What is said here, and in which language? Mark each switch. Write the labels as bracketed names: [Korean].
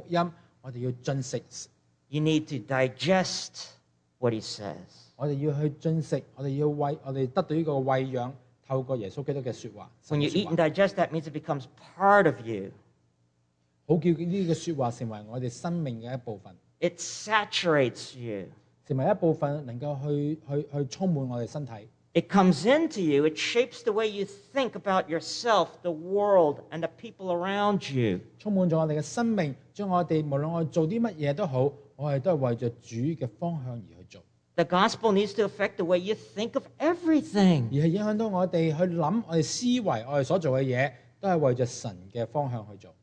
[Chinese] 我們用了譬如說耶穌基督所說的說話,我們將要相信耶穌基督給我們的福音,我們要進食。 [English] You need to digest what he says. [Chinese] 我們要去進食,我們要得到這個餵養,透過耶穌基督的說話。 [English] When you eat and digest, that means it becomes part of you. [Chinese] 好叫這個說話成為我們生命的一部分。 [English] It saturates you. [Chinese] 成為一部分能夠去充滿我們身體。 [English] It comes into you. It shapes the way you think about yourself, the world, and the people around you. [Chinese] 充滿了我們的生命,將我們無論我們做什麼都好,我們都是為著主的方向而去做。 [English] The gospel needs to affect the way you think of everything. [Chinese] 而是影響到我們去想,我們思維,我們所做的事,都是為著神的方向去做。